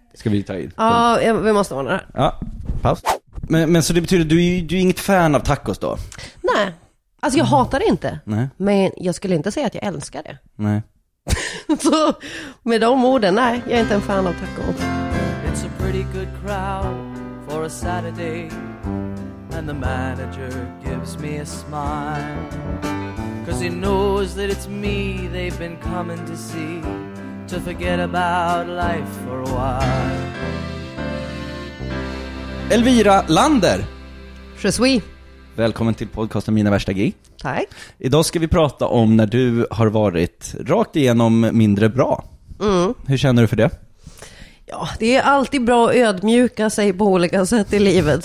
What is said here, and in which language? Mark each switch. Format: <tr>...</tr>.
<sv>Ska vi ta in? Ja, vi måste ordna det här. Ja, paus. Men så det betyder att du är inget fan av tacos då? Nej, alltså jag hatar det inte. Nej. Men jag skulle inte säga att jag älskar det. Nej. Så med de orden, nej, jag är inte en fan av tacos.</sv> <en>It's a pretty good crowd for a Saturday. And the manager gives me a smile. 'Cause he knows that it's me they've been coming to see. To forget about life for a while.</en> <sv>Elvira Lander.</sv> <fr>Je suis.</fr> <sv>Välkommen till podcasten Mina värsta gig. Tack. Idag ska vi prata om när du har varit rakt igenom mindre bra. Hur känner du för det? Ja, det är alltid bra att ödmjuka sig på olika sätt i livet.</sv>